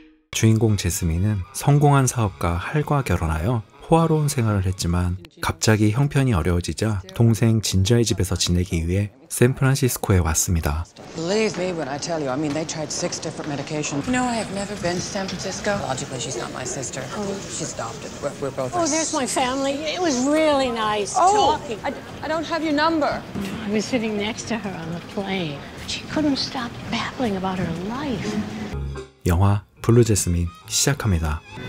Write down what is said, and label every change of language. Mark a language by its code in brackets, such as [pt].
[ko] 주인공 제스민은 성공한 사업가 할과 결혼하여 호화로운 생활을 했지만 갑자기 형편이 어려워지자 동생 진저의 집에서 지내기 위해 샌프란시스코에 왔습니다. [en] Believe me when I tell you. I mean, they tried six different medications. No, I have never been to San Francisco. Logically, she's not my sister. Oh. She's adopted. We're both. Oh, there's my family. It was really nice talking. I don't have your number. I was sitting next to her on the plane. She couldn't stop babbling about her life. [ko] 영화 블루 제스민 시작합니다.